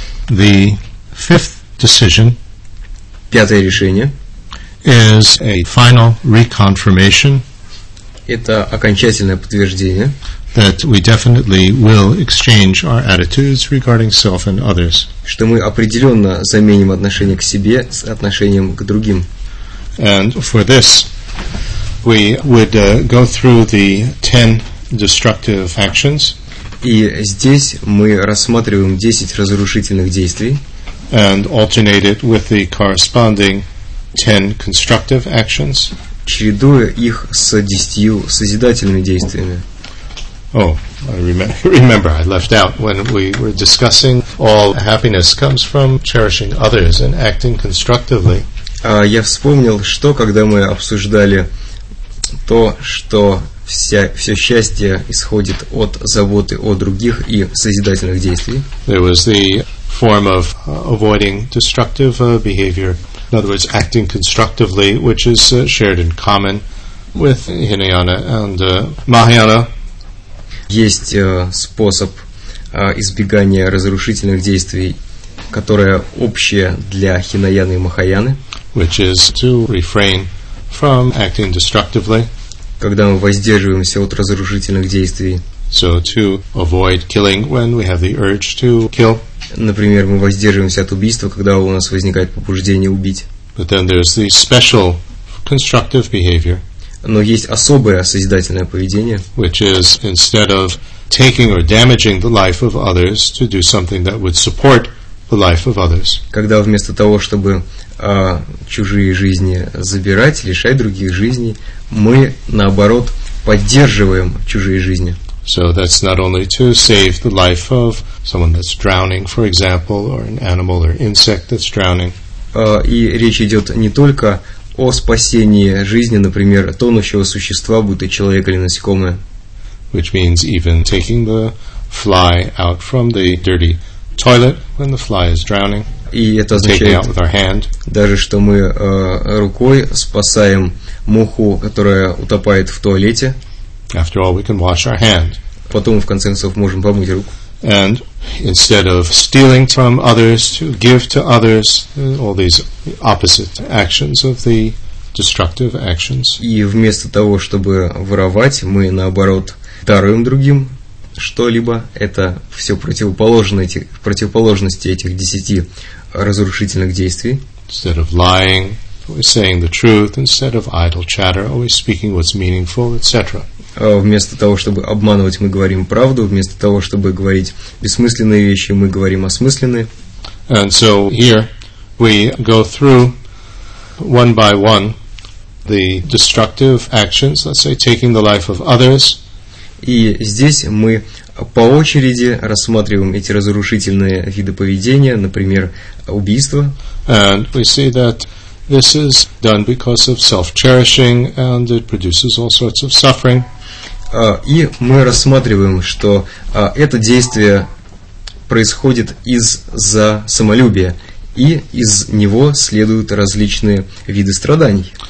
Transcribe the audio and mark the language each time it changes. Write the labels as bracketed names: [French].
[English] The fifth decision, [Russian] пятое решение, [English] is a final reconfirmation. [Russian] Это окончательное подтверждение, [English] that we definitely will exchange our attitudes regarding self and others. [Russian] Что мы определенно заменим отношение к себе с отношением к другим. [English] And for this, we would go through the 10 destructive actions. [Russian] И здесь мы рассматриваем 10 разрушительных действий. [English] And alternate it with the corresponding 10 constructive actions. [Russian] Чередуя их с 10 созидательными действиями. [English] Oh, I remember I left out when we were discussing all happiness comes from cherishing others and acting constructively. [Russian] Я вспомнил, что когда мы обсуждали то, что все счастье исходит от заботы о других и созидательных действий. [English] There was the form of avoiding destructive behavior, in other words, acting constructively, which is shared in common with Hinayana and Mahayana. [Russian] Есть способ избегания разрушительных действий, которое общее для Хинаяны и Махаяны. [English] Which is to refrain from acting destructively. [Russian] Когда мы воздерживаемся от разрушительных действий. [English] So to avoid killing when we have the urge to kill. [Russian] Например, мы воздерживаемся от убийства, когда у нас возникает побуждение убить. [English] But then there's the special constructive behavior. [Russian] Но есть особое созидательное поведение. [English] Which is instead of taking or damaging the life of others to do something that would support the life of others. [Russian] Когда вместо того, чтобы чужие жизни забирать, лишать других жизней, мы, наоборот, поддерживаем чужие жизни. [English] So that's not only to save the life of someone that's drowning, for example, or an animal or insect that's drowning. [Russian] И речь идет не только о спасении жизни, например, тонущего существа, будь то человек или насекомое. [English] Which means even taking the fly out from the dirty toilet when the fly is drowning. [Russian] И это означает даже, что мы рукой спасаем муху, которая утопает в туалете. [English] After all, we can wash our hand. [Russian] Потом, в конце концов, можем помыть руку. [English] And instead of stealing from others to give to others, all these opposite actions of the destructive actions. [Russian] И вместо того, чтобы воровать, мы, наоборот, даруем другим что-либо. Это все противоположности этих десяти разрушительных действий. [English] Instead of lying, always saying the truth, instead of idle chatter, always speaking what's meaningful, etc. [Russian] Вместо того, чтобы обманывать, мы говорим правду, вместо того, чтобы говорить бессмысленные вещи, мы говорим осмысленные. [English] And so here we go through one by one the destructive actions, let's say taking the life of others. [Russian] И здесь мы по очереди рассматриваем эти разрушительные виды поведения, например, убийство. [English] And we see that this is done because of self-cherishing and it produces all sorts of suffering. [Russian] И мы рассматриваем, что это действие происходит из-за самолюбия и из него следуют различные виды страданий.